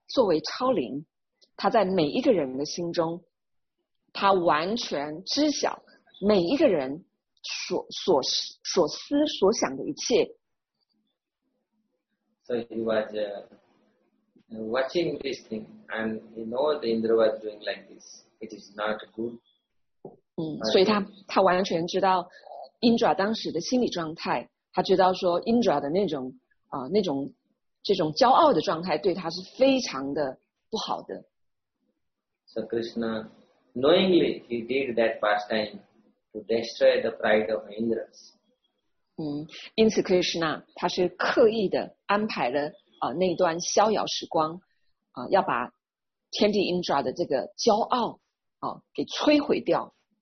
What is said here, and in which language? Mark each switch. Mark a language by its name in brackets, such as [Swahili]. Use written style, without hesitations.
[Chinese] 作为超灵，他在每一个人的心中，他完全知晓每一个人所思所想的一切。 [English] So he was watching this thing, and he know that Indra was doing like this. It is not good. [Chinese] 所以他完全知道 Indra 当时的心理状态。他知道说 Indra 的那种那种这种骄傲的状态对他是非常的不好的。 [English] So Krishna knowingly he did that pastime to destroy the pride of Indra. [Chinese] 因此 Krishna 他是刻意的安排了那段逍遥时光要把天帝 Indra 的这个骄傲给摧毁掉。